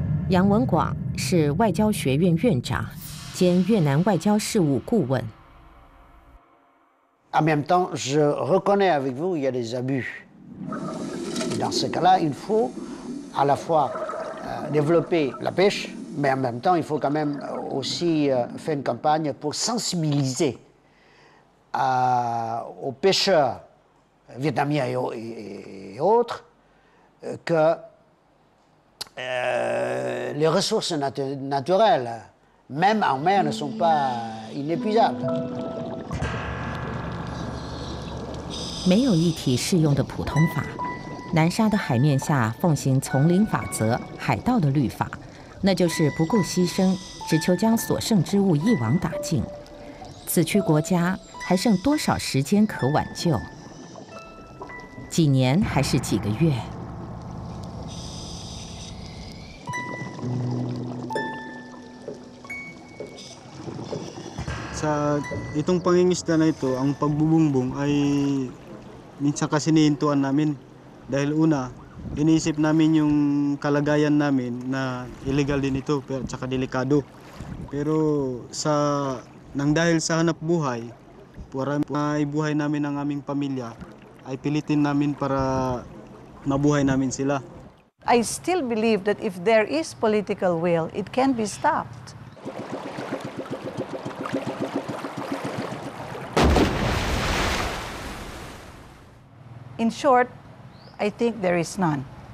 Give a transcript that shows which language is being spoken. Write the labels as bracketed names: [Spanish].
[Chinese] 杨文广是外交学院院长兼越南外交事务顾问。 [French] En même temps, je reconnais avec vous, il y a des abus. Dans ce cas-là, il faut à la fois développer la pêche, mais en même temps, il faut quand même aussi faire une campagne pour sensibiliser aux pêcheurs vietnamiens et autres que les ressources naturelles, même en mer, ne sont pas inépuisables. [Chinese] 没有一体适用的普通法，南沙的海面下奉行丛林法则、海盗的律法，那就是不顾牺牲，只求将所剩之物一网打尽。此区国家还剩多少时间可挽救？几年还是几个月？ [Filipino] 在itong panginginan na ito, ang pagbubumbong ay... Minsan kasi nihintuan namin dahil una, iniisip namin yung kalagayan namin na illegal din ito at saka delikado. Pero sa, nang dahil sa hanap buhay, para maibuhay namin ang aming pamilya, ay pilitin namin para mabuhay namin sila. [English] I still believe that if there is political will, it can be stopped. In short, I think there is none.